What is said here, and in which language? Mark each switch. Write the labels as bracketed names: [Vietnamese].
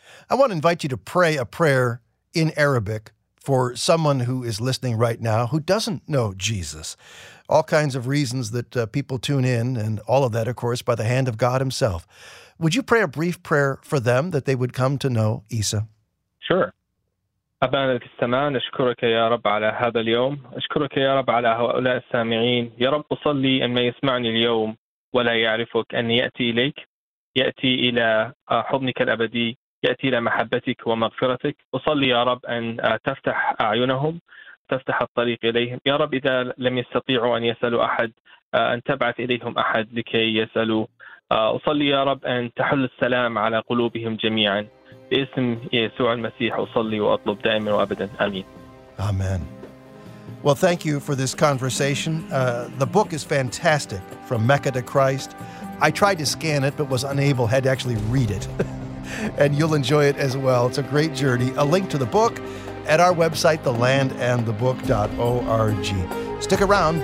[English] I want to invite you to pray a prayer in Arabic for someone who is listening right now who doesn't know Jesus? All kinds of reasons that people tune in, and all of that, of course, by the hand of God himself. Would you pray a brief prayer for them that they would come to know Isa? Sure. [Arabic] أبانا في السماء نشكرك يا رب على هذا اليوم أشكرك يا رب على هؤلاء السامعين يا رب أصلي أن ما يسمعني اليوم ولا يعرفك أن يأتي إليك يأتي إلى حضنك الأبدي يأتي إلى محبتك ومغفرتك أصلي يا رب أن تفتح أعينهم تفتح الطريق إليهم يا رب إذا لم يستطيعوا أن يسألوا أحد أن تبعث إليهم أحد لكي يسألوا أصلي يا رب أن تحل السلام على قلوبهم جميعا باسم يسوع المسيح أصلي وأطلب دائما وأبدا آمين آمين. [English] Well, thank you for this conversation. The book is fantastic, From Mecca to Christ. I tried to scan it, but was unable, had to actually read it. And you'll enjoy it as well. It's a great journey. A link to the book at our website, thelandandthebook.org. Stick around.